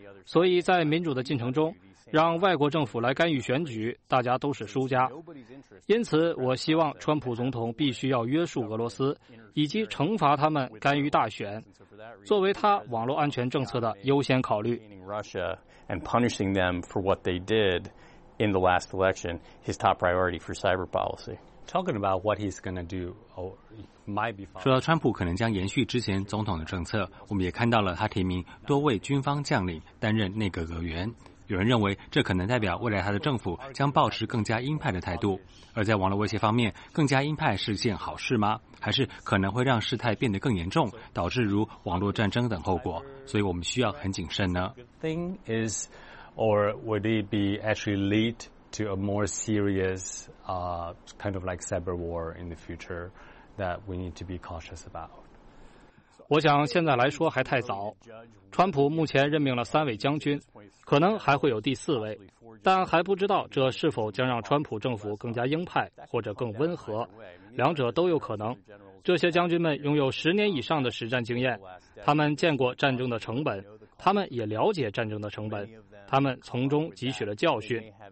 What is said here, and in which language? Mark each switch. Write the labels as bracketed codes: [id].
[zh] 所以在民主的进程中，让外国政府来干预选举，大家都是输家。因此我希望川普总统必须要约束俄罗斯，以及惩罚他们干预大选，作为他网络安全政策的优先考虑。 [en] And punishing them for what they did in the last election his top priority for cyber policy. Talking about what he's going to do or might be. [zh] 说到川普可能将延续之前总统的政策，我们也看到了他提名多位军方将领担任内阁阁员。有人认为这可能代表未来他的政府将保持更加鹰派的态度。而在网络威胁方面，更加鹰派是件好事吗？还是可能会让事态变得更严重，导致如网络战争等后果？所以我们需要很谨慎呢。 [en] Thing is, or would it be actually lead to a more serious, kind of like cyber war in the future that we need to be cautious about? [zh] 我想现在来说还太早，川普目前任命了三位将军，可能还会有第四位，但还不知道这是否将让川普政府更加鹰派或者更温和，两者都有可能。这些将军们拥有十年以上的实战经验，他们见过战争的成本，他们也了解战争的成本，他们从中汲取了教训。